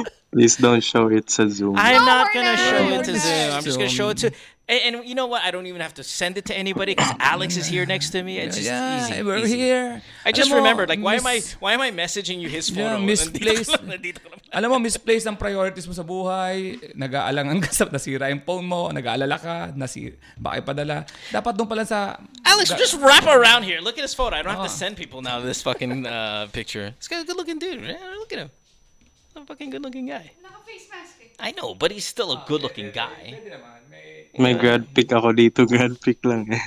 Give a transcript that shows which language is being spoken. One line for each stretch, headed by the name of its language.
English: Please don't show it to Zoom. I'm just going to show it to... And you know what? I don't even have to send it to anybody because Alex is here next to me. It's just easy. We're easy. Here. I just remembered. Why am I messaging you his photo? Yeah, misplaced.
Filipino: Alam mo, misplaced ang priorities mo sa buhay. Nag-aalangan ka sa nasira yung phone mo. Nag-aalala ka. Bakit padala. Dapat doon pala sa...
English: Alex, just wrap around here. Look at his photo. I don't have to send people now this fucking picture. This guy's a good-looking dude. Man. Look at him. A fucking good-looking guy.
Filipino: Naka-face mask.
English: I know, but he's still a good-looking guy.
Filipino: May grad pick ako dito. Grad pick lang eh.